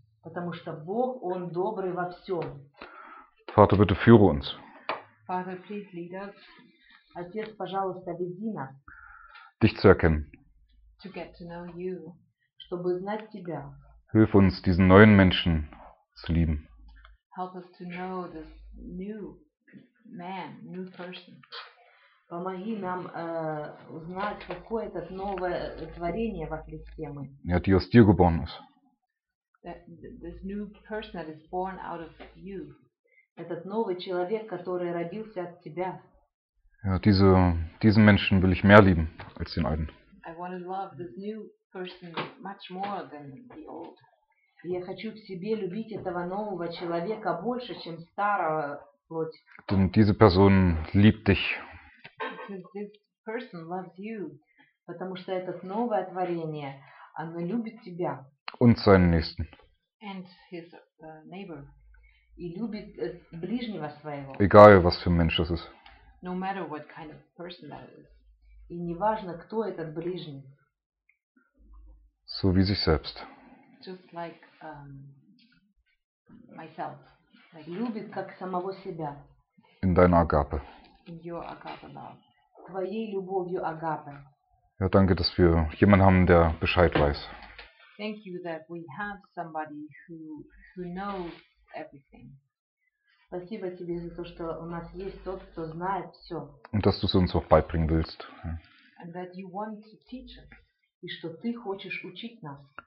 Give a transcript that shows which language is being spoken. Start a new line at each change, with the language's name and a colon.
Russian: Потому что Бог, Он добрый во всем.
German: Vater, bitte führe uns.
English: Father, please lead us.
Russian: Отец, пожалуйста, веди нас.
German: Dich zu erkennen.
English: To get to know you.
Russian: Чтобы знать тебя.
German: Hilf uns, diesen neuen Menschen zu lieben.
English: Help us to know this new man, new person.
Russian: Помоги нам узнать, какое это новое творение во Христе мы.
German: Ja, die aus dir geboren ist.
English: This new person that is born out of you.
Russian: Этот новый человек, который родился от тебя.
German: Ja, diesen Menschen will ich mehr lieben als den alten.
English: I want to love this new person much more than the old.
Russian: Я хочу в себе любить этого нового человека больше, чем старого.
German: Denn diese Person liebt dich.
English: Because this person loves you.
Russian: Потому что это новое творение, оно любит тебя.
German: Und seinen Nächsten.
English: And his neighbor.
Russian: И любит ближнего своего.
German: Egal, was für ein Mensch das ist.
English: No matter what kind of person that is.
Russian: И неважно, кто этот ближний.
German: So wie sich selbst.
English: Just like myself. Like,
Russian: любит как самого себя.
German: In deiner Agape.
English: In your Agape love.
Russian: Твоей любовью Агапе.
German: Ja, danke, dass wir jemanden haben, der Bescheid weiß.
English: Thank you that we have somebody who knows everything.
Russian: Спасибо тебе за то, что у нас есть тот, кто знает все.
German: Und dass du es uns auch beibringen willst.
English: And that you want to teach us.
Russian: И что ты хочешь учить нас.